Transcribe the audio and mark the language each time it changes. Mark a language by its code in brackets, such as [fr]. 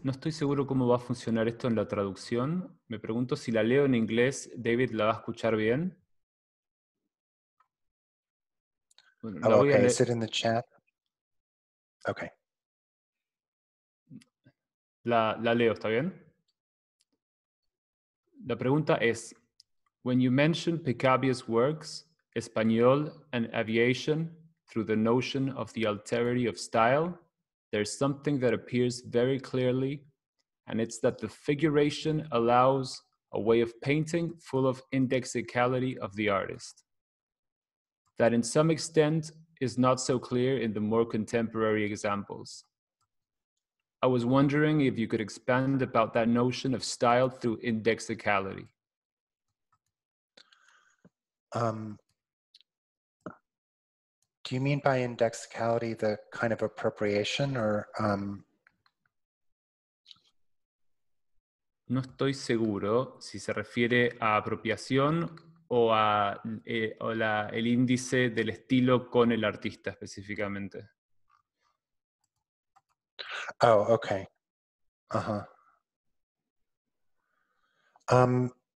[es] No estoy seguro cómo va a funcionar esto en la traducción. Me pregunto si la leo en inglés, David la va a escuchar bien. [en] Bueno, oh, okay. Is it in the chat? Okay. [es] La leo, ¿está bien? La pregunta es, [en] when you mention Picabia's works, Español and Aviation, through the notion of the alterity of style, there's something that appears very clearly, and it's that the figuration allows a way of painting full of indexicality of the artist. That in some extent is not so clear in the more contemporary examples. I was wondering if you could expand about that notion of style through indexicality. Do you mean by indexicality the kind of appropriation or? [es] No estoy seguro si se refiere a apropiación o a o la el índice del estilo con el artista específicamente. [en] Oh, okay. Uh-huh.